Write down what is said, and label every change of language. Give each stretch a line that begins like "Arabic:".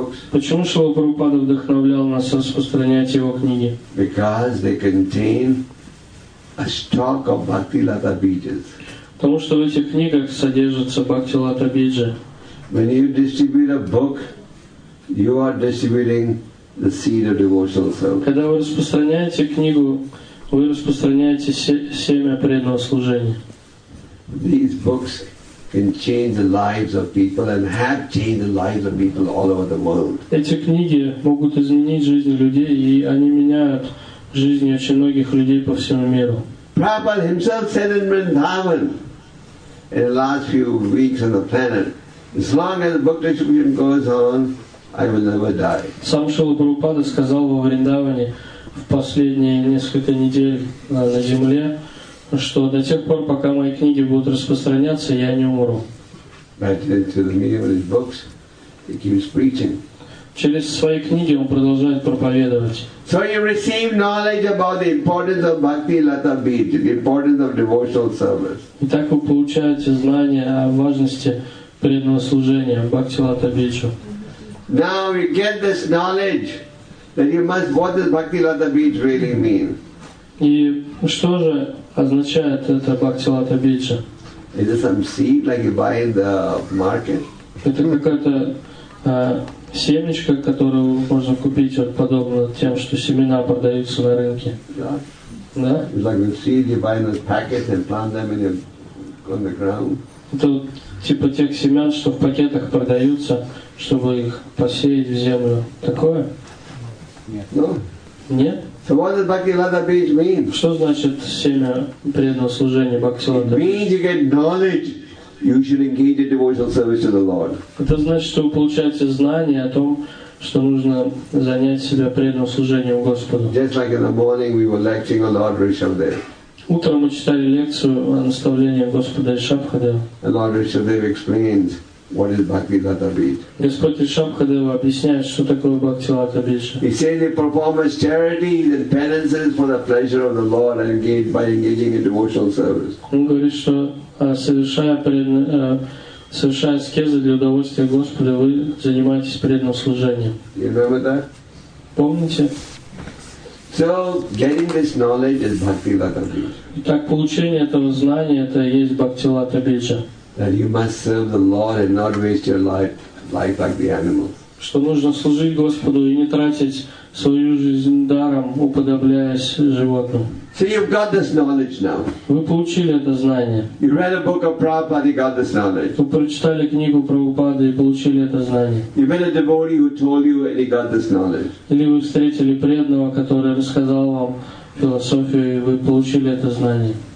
Russian: Почему Шрила Прабхупада вдохновлял нас распространять его книги?
English: Because they contain a stock of bhakti lata bijas.
Russian: Потому что в этих книгах содержится бхакти лата биджа.
English: When you distribute a book, you are distributing the seed of devotional service.
Russian: Когда вы распространяете книгу, вы распространяете семя преданного служения.
English: These books can change the lives of people and have changed the lives of people all over the world.
Russian: Эти книги могут изменить жизнь людей, и они меняют жизни очень многих людей по всему миру.
English: Prabhupada himself said in Vrindavan in the last few weeks on the planet, as long as the book distribution goes on, I will never die.
Russian: Сам Шрила Прабхупада сказал во Вриндаване в последние несколько недель на земле, что до тех пор, пока мои книги будут распространяться, я не умру.
English: But into the medium of his books, he keeps preaching.
Russian: Через свои книги он продолжает проповедовать.
English: So you receive knowledge about the importance of bhakti lata bij, the importance of devotional service.
Russian: И так вы получаете знания о важности преданного служения, бхакти лата биджу.
English: Now you get this knowledge that you must, what does bhakti lata bidja really mean?
Russian: И что же означает это бхакти лата биджа?
English: Is it some seed like you buy in the market?
Russian: Это какая-то семечко, которую можно купить вот подобно тем, что семена продаются на рынке.
English: Yeah.
Russian: Да?
English: It's like the seed you buy in those packets and plant them in your, on the ground.
Russian: Это вот, типа тех семян, что в пакетах продаются, чтобы их посеять в землю. Такое? Нет.
English: No.
Russian: Нет?
English: So what does lata bij mean?
Russian: Что значит семя преданного служения бхакти лата бидж?
English: It means you get knowledge, you should engage in devotional service to the Lord.
Russian: Это значит, что вы получаете знание о том, что нужно занять себя преданным служением Господу.
English: Just like in the morning we were lecturing on Lord Rishabhadeva.
Russian: Утром мы читали лекцию о наставлении Господа Ришабхадева.
English: Lord Rishabhadeva explains what is bhakti lata bij.
Russian: Господь Ришабхадева объясняет, что такое бхакти лата бидж.
English: He says he performs charities and penances for the pleasure of the Lord and engage by engaging in devotional service.
Russian: Он говорит, что совершая аскезы для удовольствия Господа, вы занимаетесь преданным служением.
English: You remember that?
Russian: Помните?
English: So, getting this knowledge is bhakti lata bidja.
Russian: Итак, получение этого знания это и есть бхакти лата бидж.
English: That you must serve the Lord and not waste your life like the animals.
Russian: Что нужно служить Господу и не тратить свою жизнь даром, уподобляясь животным.
English: So you've got this knowledge now.
Russian: Вы получили это знание.
English: You read a book of Prabhupada, you got this knowledge.
Russian: Вы прочитали книгу Прабхупады и получили это знание.
English: You met a devotee who told you and you got this knowledge.
Russian: Или вы встретили преданного, который рассказал вам философию, и вы получили это знание.